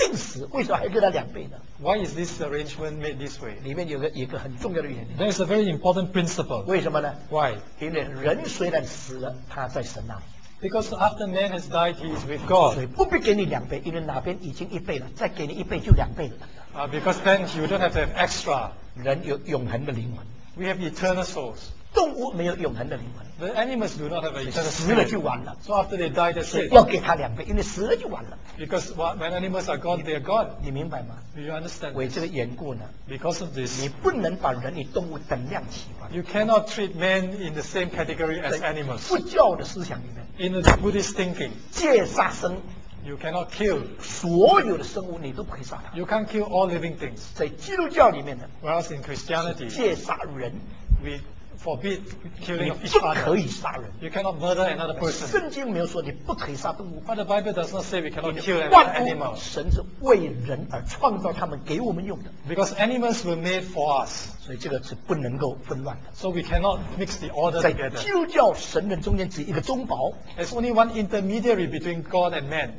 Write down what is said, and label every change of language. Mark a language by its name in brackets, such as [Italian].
[Chinese] 被人拿去的一定还不一定死，为什么还给他两倍呢？ [English] Why is this arrangement made this way? [Chinese] 里面有个很重要的原因。 [English] There is a very important principle. [Chinese] 为什么呢？ [English] Why? [Chinese] 因为人虽然死了，他在神那里。 [English] Because after man has died, he is with God. [Chinese] 所以不必给你两倍，因为哪边已经一倍了，再给你一倍就两倍了。 [English] Because then you don't have to have extra. [Chinese] 人有永恒的灵魂。 [English] We have eternal souls. [Chinese] 动物没有永恒的灵魂。 [English] The animals do not have eternal souls. [Chinese] 死了就完了。 [English] So after they die, that's it. [Chinese] 要给他两倍，因为死了就完了。 [English] Because when animals are gone, they are gone. [Chinese] 你明白吗？ [English] Do you understand? [Chinese] 为这个缘故呢？ [English] Because of this. [Chinese] 你不能把人与动物等量齐观。 [English] You cannot treat men in the same category as animals. [Chinese] 佛教的思想里面。 [English] In the Buddhist thinking. [Chinese] 戒杀生。 [English] You cannot kill. [Chinese] 所有的生物你都不可以杀它。 [English] You can't kill all living things. [Chinese] 在基督教里面呢？ [English] Whereas in Christianity. [Chinese] 戒杀人。 [English] We forbid killing of each other. [Chinese] 你不可以杀人。 [English] You cannot murder another person. [Chinese] 圣经没有说你不可以杀动物。 [English] But the Bible does not say we cannot kill animals. [Chinese] 神是为人而创造他们给我们用的。 [English] Because animals were made for us. [Chinese] 所以这个是不能够混乱的。 [English] So we cannot mix the order together. [Chinese] 在基督教神人中间只一个中保。 [English] There's only one intermediary between God and man.